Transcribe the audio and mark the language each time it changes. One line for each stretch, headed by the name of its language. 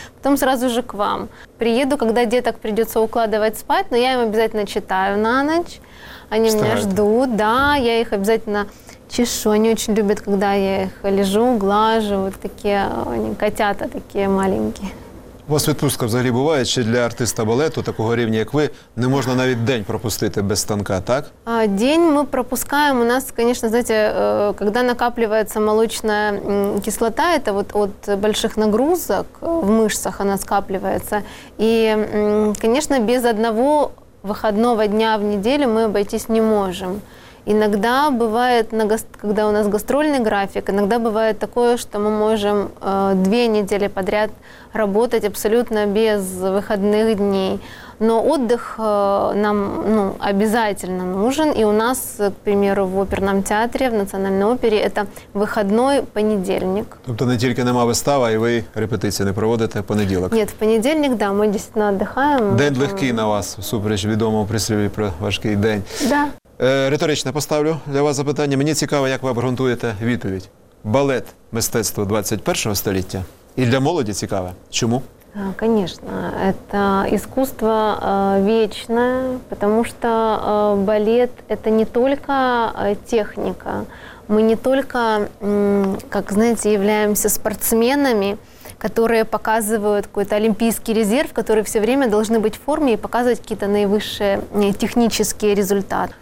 Russian: Потом сразу же к вам. Приеду, когда деток придется укладывать спать, но я им обязательно читаю на ночь. Они меня ждут, да, я их обязательно чешу. Они очень любят, когда я их лежу, глажу. Вот такие, они котята такие маленькие.
Ukrainian: У вас відпустка взагалі буває, чи для артиста балету такого рівня, як ви, не можна навіть день пропустити без станка, так? День ми пропускаємо. У нас, звісно, знаєте, коли накапливається молочна кислота, це от від великих нагрузок в мишцях вона скаплюється. І, звісно, без одного вихідного дня в неділю ми обійтись не можемо.
Russian: Иногда бывает, когда у нас гастрольный график, иногда бывает такое, что мы можем две недели подряд работать абсолютно без выходных дней. Но отдых нам обязательно нужен. И у нас, к примеру, в оперном театре, в Национальной опере, это выходной понедельник. То есть не только
Ukrainian: нема выстава,
Russian: и вы репетиции не проводите в понедельник? Нет, в понедельник, да, мы действительно отдыхаем.
Ukrainian: День легкий на вас, супереч відомому прислів'ю про важкий день.
Russian: Да.
Ukrainian: Риторично поставлю для вас запитання. Мені цікаво, як ви обґрунтуєте відповідь. Балет – мистецтво 21-го століття? І для молоді цікаве. Чому?
Russian: Конечно, это искусство вечное, потому что балет – это не только техника. Мы не только, как знаете, являемся спортсменами, которые показывают какой-то олимпийский резерв, которые все время должны быть в форме и показывать какие-то наивысшие технические результаты.